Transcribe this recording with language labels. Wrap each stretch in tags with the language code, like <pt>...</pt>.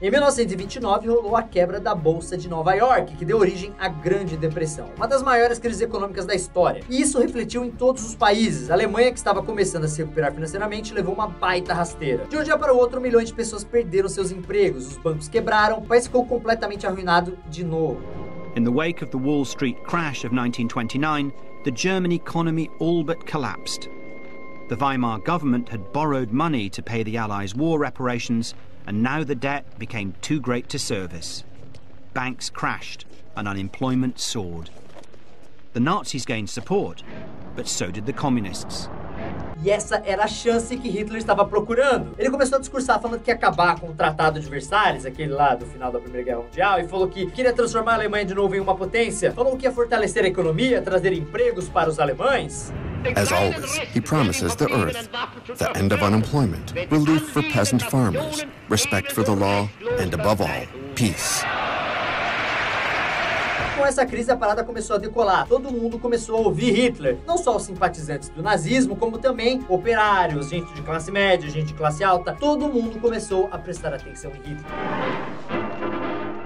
<pt>Em 1929, rolou a quebra da Bolsa de Nova York, que deu origem à Grande Depressão, uma das maiores crises econômicas da história. E isso refletiu em todos os países. A Alemanha, que estava começando a se recuperar financeiramente, levou uma baita rasteira. De um dia para o outro, milhões de pessoas perderam seus empregos, os bancos quebraram, o país ficou completamente arruinado de novo.</pt> <en>In the wake of the Wall Street crash of 1929, the German economy all but collapsed. The Weimar government had borrowed money to pay the Allies' war reparations, and now the debt became too great to service. Banks crashed and unemployment soared. The Nazis gained support, but so did the communists.</en> <pt>E essa era a chance que Hitler estava procurando. Ele começou a discursar falando que ia acabar com o Tratado de Versalhes, aquele lá do final da Primeira Guerra Mundial, e falou que queria transformar a Alemanha de novo em uma potência. Falou que ia fortalecer a economia, trazer empregos para os alemães.</pt> <en>As always, he promises the earth, the end of unemployment, relief for peasant farmers, respect for the law, and above all, peace.</en> <pt>Com essa crise, a parada começou a decolar. Todo mundo começou a ouvir Hitler. Não só os simpatizantes do nazismo, como também operários, gente de classe média, gente de classe alta. Todo mundo começou a prestar atenção em Hitler.</pt>